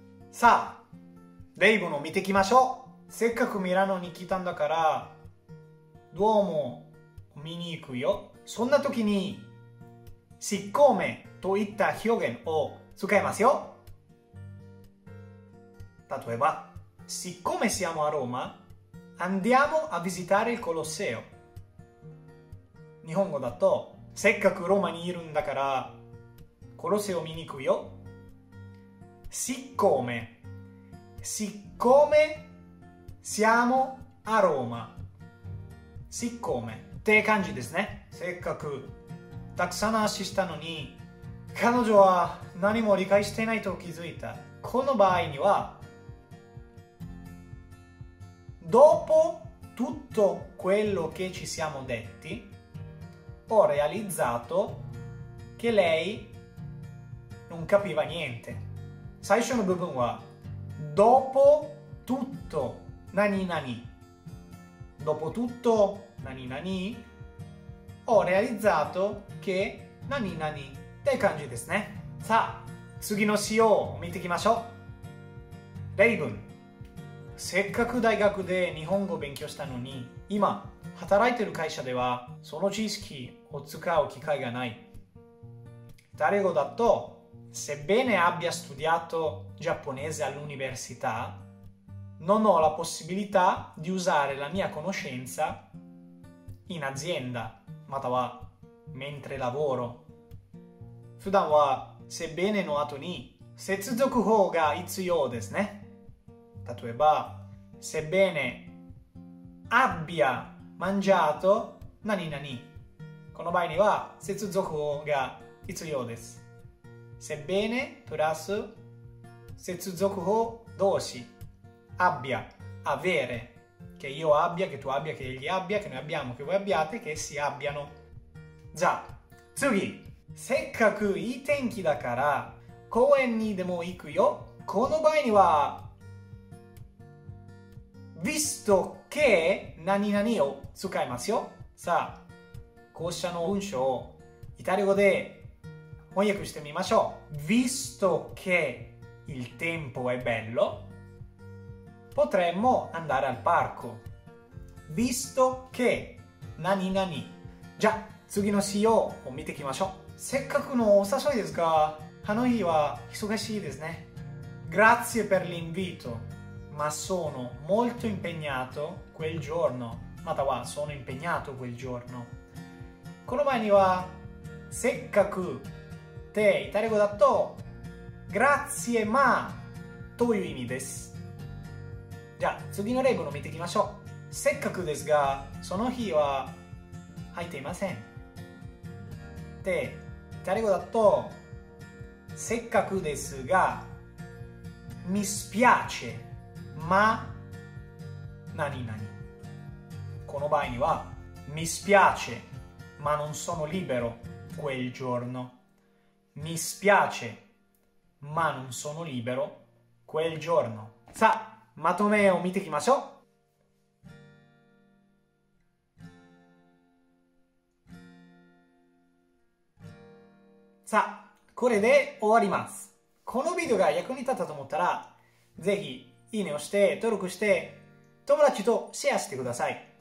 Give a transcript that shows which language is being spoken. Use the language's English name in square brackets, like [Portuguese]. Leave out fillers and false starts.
[Japanese] さあ例文を見ていきましょう。せっかくミラノに来たんだからドゥオーモ見に行くよ。そんなときにシッコーメといった表現を使いますよ。 [Italian] 例えばSiccome siamo a Roma, andiamo a visitare il Colosseo. [Japanese] 日本語だと、せっかくローマにいるんだから、コロッセオ見に行くよ。 [Italian] Siccome, siccome siamo a Roma. [Japanese] Siccome, って感じですね。せっかくたくさん話したのに、彼女は何も理解してないと気づいた。この場合には、 [Italian] Dopo tutto quello che ci siamo detti, ho realizzato che lei non capiva niente. [Japanese] 最初の部分は Dopo tutto 何々 Dopo tutto 何々 [Italian] ho realizzato che [Japanese] 何々って感じですね。さあ次の詩を見ていきましょう。例文、せっかく大学で日本語を勉強したのに、今働いている会社ではその知識を使う機会がない。イタリア語だと、 [Italian] Sebbene abbia studiato giapponese all'università, non ho la possibilità di usare la mia conoscenza in azienda, [Japanese] または [Italian] mentre lavoro. [Japanese] 普段は Sebbene の後に接続法が必要ですね。例えば、 [Italian] Sebbene abbia mangiato [Japanese] 何々、この場合には接続語が必要です。 [Italian] Sebbene [Japanese] プラス接続語動詞 [Italian] abbia avere che io abbia che tu abbia che egli abbia che noi abbiamo che voi abbiate che essi abbiano。 [Japanese] じゃあ次、せっかくいい天気だから公園にでも行くよ。この場合にはVisto che 何々を使いますよ。さあ、校舎の文章をイタリア語で翻訳してみましょう。 [Italian] Visto che il tempo è bello, potremmo andare al parco. [Japanese] Visto che 何々。じゃあ、次の詩を見ていきましょう。せっかくのお誘いですが、あの日は忙しいですね。 [Italian] Grazie per l'invito. Ma sono molto impegnato quel giorno. [Japanese] または、 [Italian] sono impegnato quel giorno. [Japanese] この前には、せっかくってイタリア語だと、grazie ma という意味です。じゃあ、次の例文を見ていきましょう。せっかくですが、その日は入っていません。で、イタリア語だと、せっかくですが、 [Italian] mi spiace. ma 何々、 [Japanese] この場合には [Italian] mi spiace ma non sono libero quel giorno. mi spiace ma non sono libero quel giorno. [Japanese] さあまとめを見ていきましょう。さあこれで終わります。このビデオが役に立ったと思ったらぜひいいねをして、登録して、友達とシェアしてください。